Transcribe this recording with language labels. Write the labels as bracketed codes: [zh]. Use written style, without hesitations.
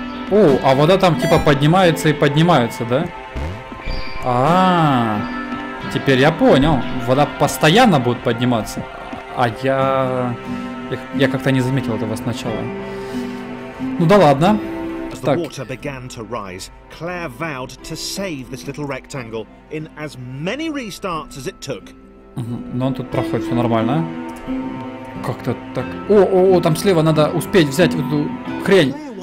[ru] О, а вода там типа поднимается и поднимается, да? А-а-а. Теперь я понял. Вода постоянно будет подниматься. А я как-то не заметил этого сначала. Ну да ладно. [en] As the water began to rise, Claire vowed to save this little rectangle in as many restarts as it took. [ru] Ну он тут проходит, все нормально. Как-то так. О, там слева надо успеть взять эту хрень.